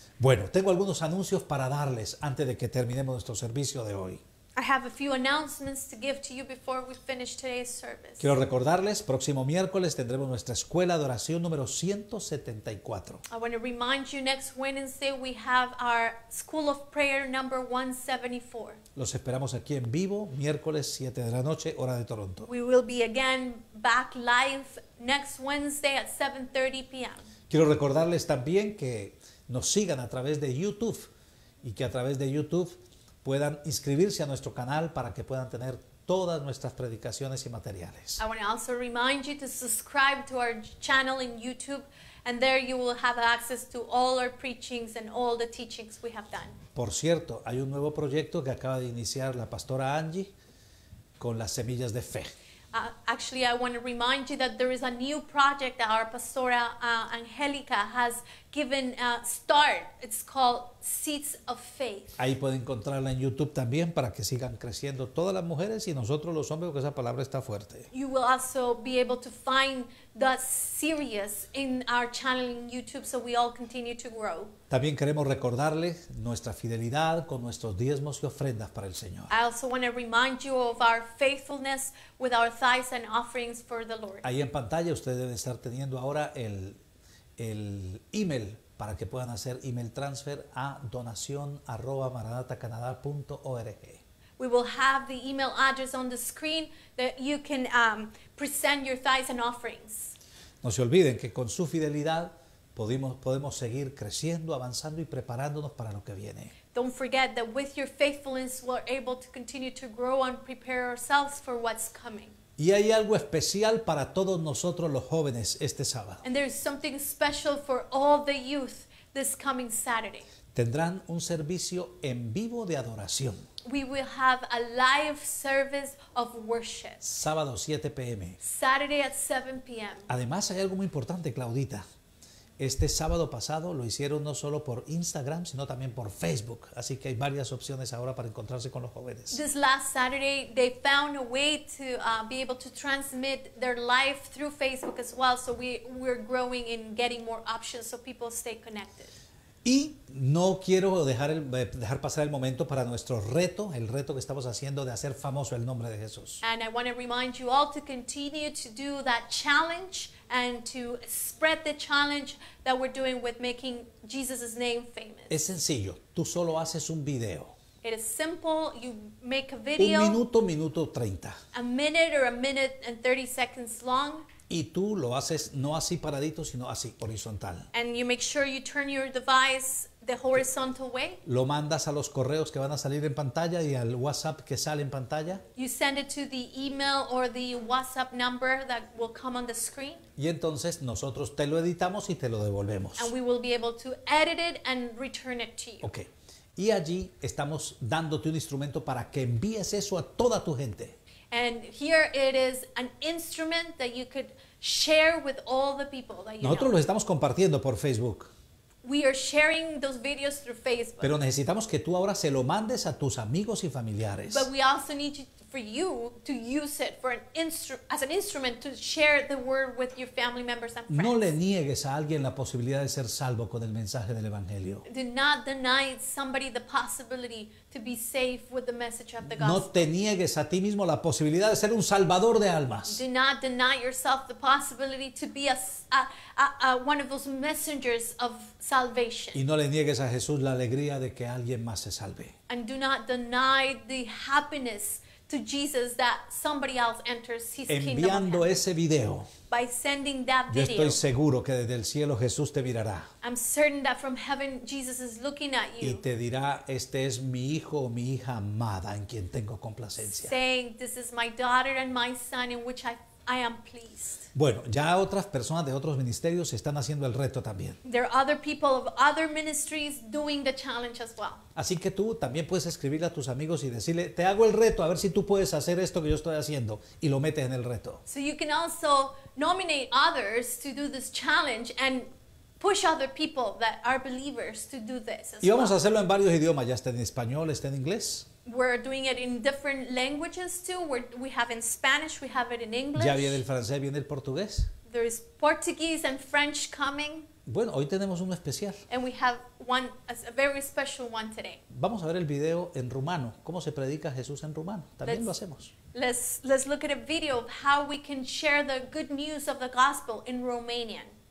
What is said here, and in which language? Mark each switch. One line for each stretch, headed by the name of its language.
Spanish: Bueno, tengo algunos anuncios para darles antes de que terminemos nuestro servicio de hoy.
English: I have a few announcements to give to you before we finish today's service.
Spanish: Quiero recordarles, próximo miércoles tendremos nuestra escuela de oración número 174.
English: I want to remind you, next Wednesday we have our school of prayer number 174.
Spanish: Los esperamos aquí en vivo, miércoles 7 de la noche, hora de Toronto.
English: We will be again back live next Wednesday at 7:30 p.m.
Spanish: Quiero recordarles también que nos sigan a través de YouTube y que a través de YouTube puedan inscribirse a nuestro canal para que puedan tener todas nuestras predicaciones y materiales.
English: I want to also remind you to subscribe to our channel in YouTube, and there you will have access to all our preachings and all the teachings we have done.
Spanish: Por cierto, hay un nuevo proyecto que acaba de iniciar la pastora Angie con las semillas de fe.
English: Actually, I want to remind you that there is a new project that our pastora Angelica has given start. It's called Seeds of Faith.
Spanish: Ahí pueden encontrarla en YouTube también para que sigan creciendo todas las mujeres y nosotros los hombres, porque esa palabra está fuerte.
English: You will also be able to find that series in our channel in YouTube so we all continue to grow.
Spanish: También queremos recordarles nuestra fidelidad con nuestros diezmos y ofrendas para el Señor.
English: I also want to remind you of our faithfulness with our tithes and offerings for the Lord.
Spanish: Ahí en pantalla ustedes deben estar teniendo ahora el email para que puedan hacer email transfer a donacion@maranatacanada.org.
English: We will have the email address on the screen that you can present your tithes and offerings.
Spanish: No se olviden que con su fidelidad podemos seguir creciendo, avanzando y preparándonos para lo que viene.
English: Don't forget that with your faithfulness we're able to continue to grow and prepare ourselves for what's coming.
Spanish: Y hay algo especial para todos nosotros los jóvenes este sábado.
English: And there's something special for all the youth this coming Saturday.
Spanish: Tendrán un servicio en vivo de adoración.
English: We will have a live service of worship.
Spanish: Sábado 7 p.m.
English: Saturday at 7 p.m.
Spanish: Además hay algo muy importante, Claudita. Este sábado pasado lo hicieron no solo por Instagram, sino también por Facebook. Así que hay varias opciones ahora para encontrarse con los jóvenes.
English: This last Saturday, they found a way to be able to transmit their life through Facebook as well. So we're growing in getting more options so people stay connected.
Spanish: Y no quiero dejar pasar el momento para nuestro reto, el reto que estamos haciendo de hacer famoso el nombre de Jesús.
English: And I want to remind you all to continue to do that challenge and to spread the challenge that we're doing with making Jesus' name famous.
Spanish: Es sencillo, tú solo haces un video.
English: It is simple, you make a video.
Spanish: Un minuto, minuto 30.
English: A minute or a minute and 30 seconds long.
Spanish: Y tú lo haces no así paradito, sino así, horizontal.
English: And you make sure you turn your device the horizontal way.
Spanish: Lo mandas a los correos que van a salir en pantalla y al WhatsApp que sale en pantalla.
English: You send it to the email or the WhatsApp number that will come on the screen.
Spanish: Y entonces nosotros te lo editamos y te lo devolvemos.
English: And we will be able to edit it and return it to you. Okay.
Spanish: Y allí estamos dándote un instrumento para que envíes eso a toda tu gente.
English: And here it is an instrument that you could share with all the people that you
Spanish: Nosotros
English: know.
Spanish: Los estamos compartiendo por Facebook.
English: We are sharing those videos through Facebook.
Spanish: Pero necesitamos que tú ahora se lo mandes a tus amigos y familiares.
English: But we also need for you to use it for as an instrument to share the word with your family members and friends.
Spanish: No le niegues a alguien la posibilidad de ser salvo con el mensaje del evangelio.
English: Do not deny somebody the possibility to be saved with the message of the gospel.
Spanish: No te niegues a ti mismo la posibilidad de ser un salvador de almas.
English: Do not deny yourself the possibility to be a one of those messengers of salvation.
Spanish: Y no le niegues a Jesús la alegría de que alguien más se salve.
English: And do not deny the happiness to Jesus that somebody else enters his kingdom.
Spanish: Enviando ese video.
English: By sending that video.
Spanish: Yo estoy seguro que desde el cielo Jesús te mirará.
English: I'm certain that from heaven Jesus is looking at you.
Spanish: Y te dirá, este es mi hijo o mi hija amada en quien tengo complacencia.
English: Saying, this is my daughter and my son in which I am pleased.
Spanish: Bueno, ya otras personas de otros ministerios están haciendo el reto también.
English: There are other people of other ministries doing the challenge as well.
Spanish: Así que tú también puedes escribirle a tus amigos y decirle, te hago el reto, a ver si tú puedes hacer esto que yo estoy haciendo, y lo metes en el reto.
English: So you can also nominate others to do this challenge and push other people that are believers to do this as
Spanish: Y vamos
English: well.
Spanish: A hacerlo en varios idiomas, ya está en español, está en inglés.
English: We're doing it in different languages too. We have in Spanish, we have it in English.
Spanish: Ya viene el francés, viene el portugués.
English: There is Portuguese and French coming.
Spanish: Bueno, hoy tenemos uno especial.
English: And we have one, a very special one today.
Spanish: Vamos a ver el video en rumano. ¿Cómo se predica Jesús en rumano? También lo hacemos.
English: Let's look at a video of how we can share the good news of the gospel in Romanian.